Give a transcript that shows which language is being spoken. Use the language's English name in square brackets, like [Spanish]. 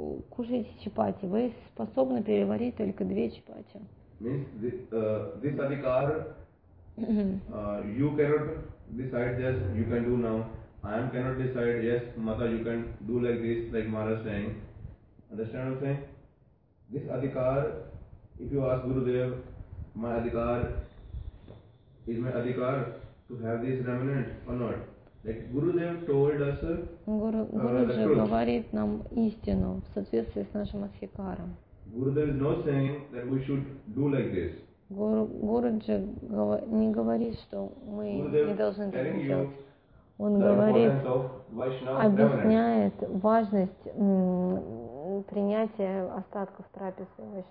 [Russian] кушаете чапати, вы способны переварить только две чапати. [English] Means this adhikar, you cannot decide just you can do now. I cannot decide, yes, Mata, you can do like this, like Maharaj saying. Understand what I'm saying? This adhikar, if you ask Gurudev, my adhikar, is my adhikar to have this remnant or not? Like Gurudev told us, [Russian] Guruji говорит нам истину в соответствии с нашим адхикаром. [English] Gurudev is not saying that we should do like this. [Russian] Guruji не говорит, что мы не должны так делать. Он говорит, объясняет важность принятия остатков трапезы